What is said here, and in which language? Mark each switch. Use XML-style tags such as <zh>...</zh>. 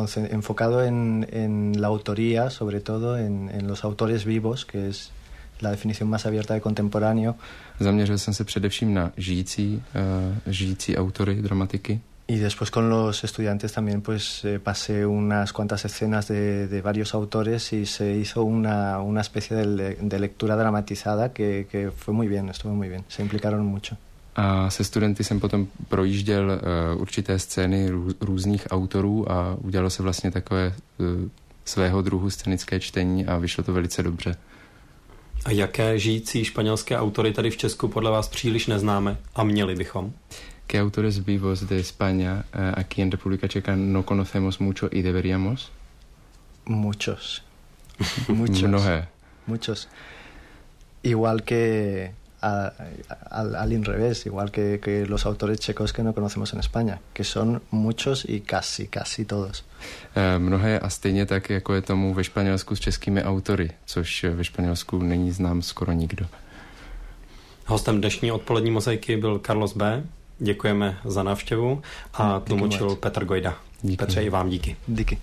<es>Enfocado en la autoría, sobre todo en los autores vivos, que es la definición más abierta de contemporáneo.</es> <cs>Zaměřil jsem se především na žijící autory dramatiky.</cs> <es>Y después con los estudiantes también pues pasé unas cuantas escenas de varios autores y se hizo una especie de lectura dramatizada que fue muy bien, estuvo muy bien, se implicaron mucho.</es> <cs>A se studenty jsem potom projížděl určité scény různých autorů a udělalo se vlastně takové svého druhu scénické čtení a vyšlo to velice dobře. A jaké žijící španělské autory tady v Česku podle vás příliš neznáme a měli bychom?</cs> <es>¿Qué autores vivos de España aquí en República Checa no conocemos mucho y deberíamos? Muchos.</es> <cs>Mnohé.</cs> <es>Muchos. Igual que al inrevés, igual que los autores checos que no conocemos en España, que son muchos y casi todos.</es> <cs>Mnohé a stejně tak, jako je tomu ve Španělsku s českými autory, což ve Španělsku není znám skoro nikdo. Hostem dnešní odpolední mozaiky byl Carlos B. Děkujeme za návštěvu a tlumočil Petr Gojda. Díky. Petře, i vám díky. Díky.</cs>